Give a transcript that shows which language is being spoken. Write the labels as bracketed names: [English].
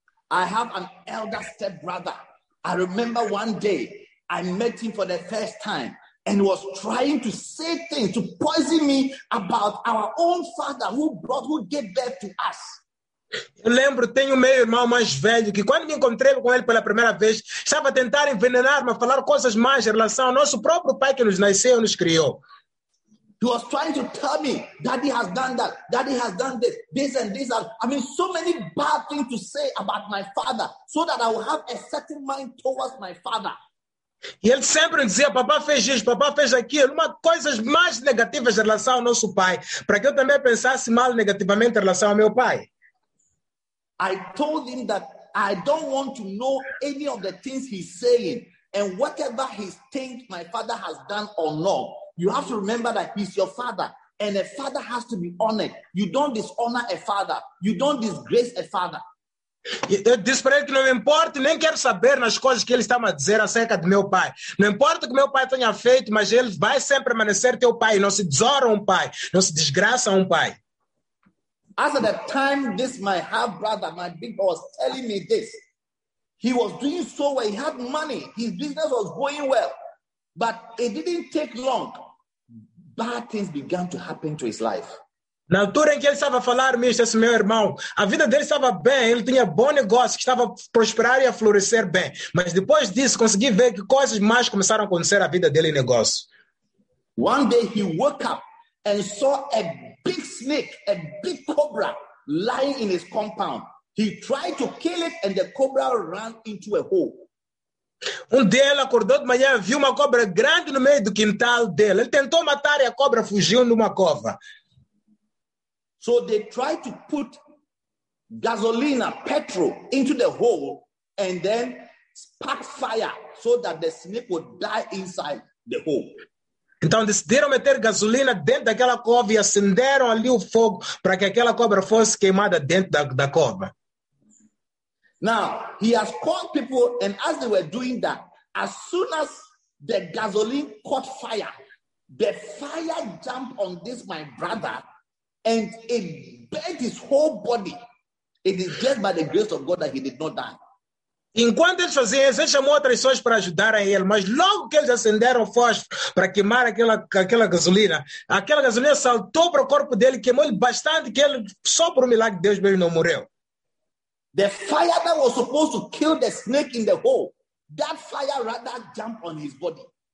[English] I have an elder stepbrother. I remember one day I met him for the first time and was trying to say things to poison me about our own father who gave birth to us. [Portuguese] Eu lembro, tenho meu irmão mais velho que quando me encontrei com ele pela primeira vez estava a tentar envenenar-me, a falar coisas mais em relação ao nosso próprio pai que nos nasceu e nos criou. [English] He was trying to tell me daddy has done that, daddy has done this and this. I mean, so many bad things to say about my father so that I will have a certain mind towards my father. [Portuguese] E ele sempre dizia, papá fez isso, papá fez aquilo, uma coisas mais negativas em relação ao nosso pai, para que eu também pensasse mal negativamente em relação ao meu pai. [English] I told him that I don't want to know any of the things he's saying and whatever he thinks my father has done or not. You have to remember that he's your father and a father has to be honored. You don't dishonor a father. You don't disgrace a father. [Portuguese] Eu disse para ele que não me importa, nem quero saber nas coisas que ele está a dizer acerca do meu pai. Não importa o que meu pai tenha feito, mas ele vai sempre permanecer teu pai. Não se desonra pai. Não se desgraça pai. [English] As at the time, this my half brother, my big brother, was telling me this. He was doing so well. He had money. His business was going well. But it didn't take long. Bad things began to happen to his life. [Portuguese] Na altura em que ele estava a falar, esse meu irmão, a vida dele estava bem. Ele tinha bom negócio, que estava a prosperar e a florescer bem. Mas depois disso, consegui ver que coisas mais começaram a acontecer na vida dele em negócio. [English] One day he woke up and saw a big snake, a big cobra lying in his compound. He tried to kill it and the cobra ran into a hole. [Portuguese] Dia ele acordou de manhã, viu uma cobra grande no meio do quintal dele. Ele tentou matar e a cobra fugiu numa cova. [English] So they tried to put gasoline, petrol into the hole and then spark fire so that the snake would die inside the hole. [Portuguese] Então decidiram meter gasolina dentro daquela cova e acenderam ali o fogo para que aquela cobra fosse queimada dentro da cova. [English] Now, he has called people and as they were doing that, as soon as the gasoline caught fire, the fire jumped on this my brother and it burnt his whole body. It is just by the grace of God that he did not die. [Portuguese] Enquanto eles faziam isso, ele chamou outras pessoas para ajudar a ele, mas logo que eles acenderam o fósforo para queimar aquela gasolina saltou para o corpo dele, queimou ele bastante, que ele, só por milagre de Deus, mesmo não morreu. [English] The fire that was supposed to kill the snake in the hole, that fire rather jumped on his body.